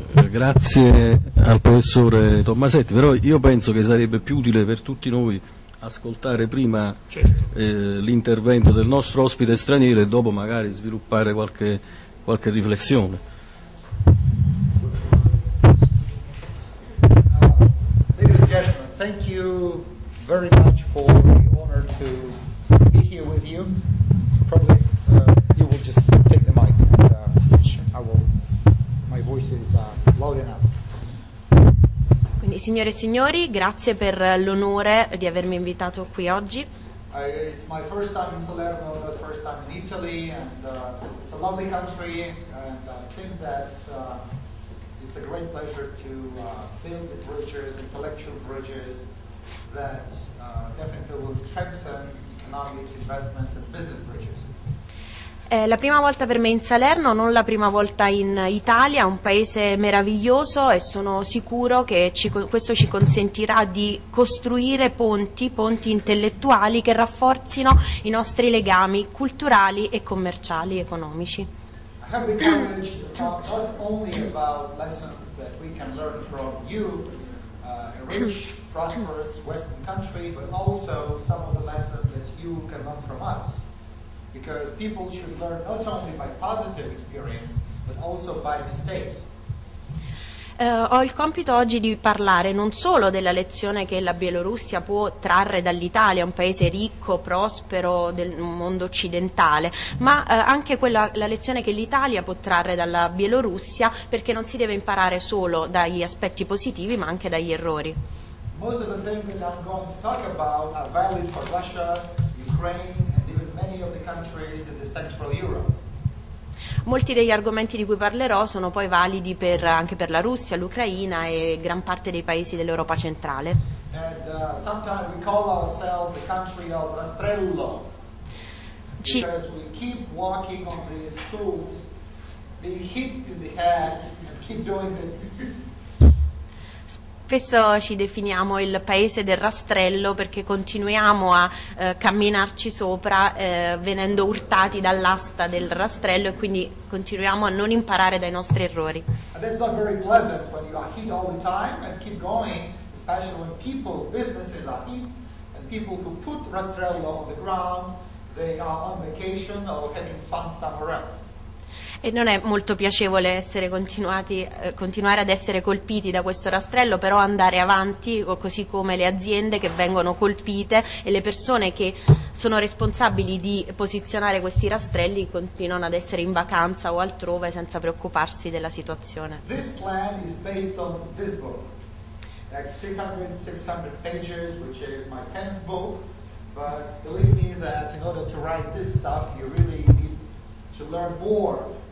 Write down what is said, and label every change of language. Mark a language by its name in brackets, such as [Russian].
[Italian] Grazie al professore Tommasetti, però io penso che sarebbe più utile per tutti noi ascoltare prima, certo, l'intervento del nostro ospite straniero e dopo magari sviluppare qualche riflessione. [English] Ladies and gentlemen, thank you very much for the honor to be here with you. Probably you will just take the mic and my voice is loud enough. [Italian] Quindi, signore e signori, grazie per l'onore di avermi invitato qui oggi. [English] It's my first time in Salerno, the first time in Italy, and it's a lovely country, and I think that it's a great pleasure to build the bridges, intellectual bridges, that definitely will strengthen economic investment and business bridges. [Italian] È la prima volta per me in Salerno, non la prima volta in Italia, un paese meraviglioso e sono sicuro che questo ci consentirà di costruire ponti intellettuali che rafforzino i nostri legami culturali e commerciali e economici. [English] I have the privilege to talk not only about lessons that we can learn from you, a rich, prosperous Western country, but also some of the lessons that you can learn from us. Because people should learn not only by positive experience, but also by mistakes. [Italian] Ho il compito oggi di parlare non solo della lezione che la Bielorussia può trarre dall'Italia, un paese ricco, prospero del mondo occidentale, ma anche la lezione che l'Italia può trarre dalla Bielorussia, perché non si deve imparare solo dagli aspetti positivi, ma anche dagli errori. [English] Most of the things that I'm going to talk about are valid for Russia, Ukraine, many of the countries in the Central Europe. [Italian] Molti degli argomenti di cui parlerò sono poi validi anche per la Russia, l'Ucraina e gran parte dei paesi dell'Europa centrale. [English] And sometimes we call ourselves the country of rastrello. Because we keep walking on these tools, being hit in the head and keep doing this. [Italian] Spesso ci definiamo il paese del rastrello perché continuiamo a camminarci sopra venendo urtati dall'asta del rastrello e quindi continuiamo a non imparare dai nostri errori. [English] And that's not very pleasant when you are hit all the time and keep going, especially when people, businesses are hit and people who put rastrello on the ground, they are on vacation or having fun somewhere else. [Italian] E non è molto piacevole continuare ad essere colpiti da questo rastrello, però andare avanti, così come le aziende che vengono colpite e le persone che sono responsabili di posizionare questi rastrelli continuano ad essere in vacanza o altrove senza preoccuparsi della situazione. [English] This plan is based on this book, like 600 pages, which is my 10th book, but believe me that in order to write this stuff you really need to learn more.